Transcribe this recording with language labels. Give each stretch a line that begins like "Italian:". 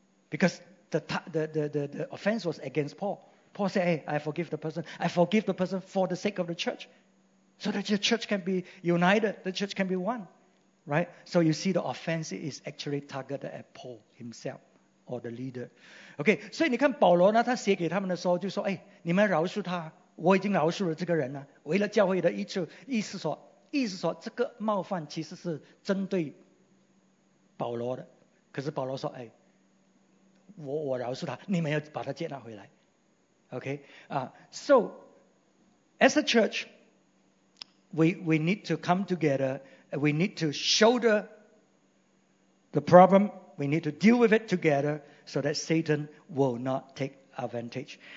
English: Because the offense was against Paul. Paul said, hey, I forgive the person. I forgive the person for the sake of the church. So that the church can be united. The church can be one. Right? So you see the offense is actually targeted at Paul himself. Or the leader. Okay.
Chinese: 所以你看保罗呢，他写给他们的时候就说，哎，你们饶恕他。我已经饶恕了这个人了。为了教会的益处，意思说这个冒犯其实是针对保罗的，可是保罗说，哎，我饶恕他，你们要把他接纳回来。
English: OK So as a church, we need to come together, we need to shoulder the problem, we need to deal with it together so that Satan will not take advantage.